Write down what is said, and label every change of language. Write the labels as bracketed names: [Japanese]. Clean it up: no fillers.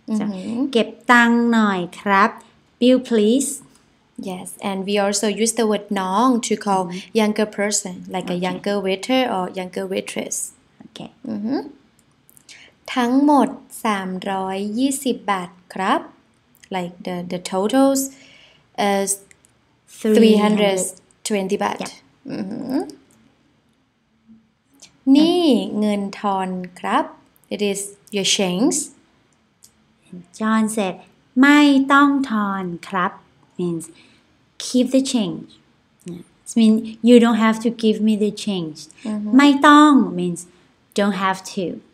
[English] So, [Thai] เก็บตังค์หน่อยครับ [English] Bill, please. Yes, and we also use the word "nong" to call younger person, like a younger waiter or younger waitress. Okay. [Thai] ทั้งหมด320บาทครับ [English] Like the totals is 320 baht. Yeah. [Thai] นี่เงินทอนครับ [English] It is your change. John said, [Thai] ไม่ต้องทอนครับ [English] means keep the change. It means you don't have to give me the change. ไม่ต้อง means don't have to.